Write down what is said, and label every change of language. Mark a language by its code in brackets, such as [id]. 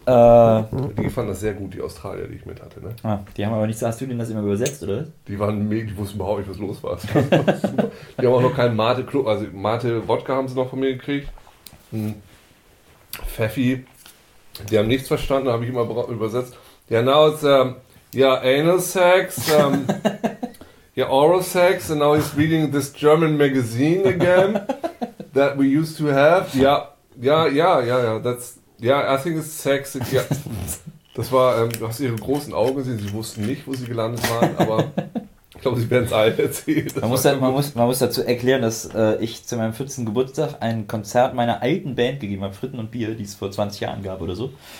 [de] die fanden das sehr gut, die Australier, die ich mit hatte. Ne? Ah, die haben aber nicht so, hast du denen das immer übersetzt, oder? Die waren mega, die wussten überhaupt nicht, was los war. Super. Die haben auch noch keinen Mate-Club, also Mate-Wodka haben sie noch von mir gekriegt. Ein Pfeffi, die haben nichts verstanden, habe ich immer übersetzt. [en] Ja, now it's anal sex, oral sex, and now he's reading this German magazine again that we used to have. Ja, that's. Ja, yeah, I think it's sexy. Yeah. [de] Das war, du hast ihre großen Augen gesehen, sie wussten nicht, wo sie gelandet waren, aber ich glaube, sie werden es allen erzählen. Man muss dazu erklären, dass ich zu meinem 14. Geburtstag ein Konzert meiner alten Band gegeben habe, Fritten und Bier, die es vor 20 Jahren gab oder so.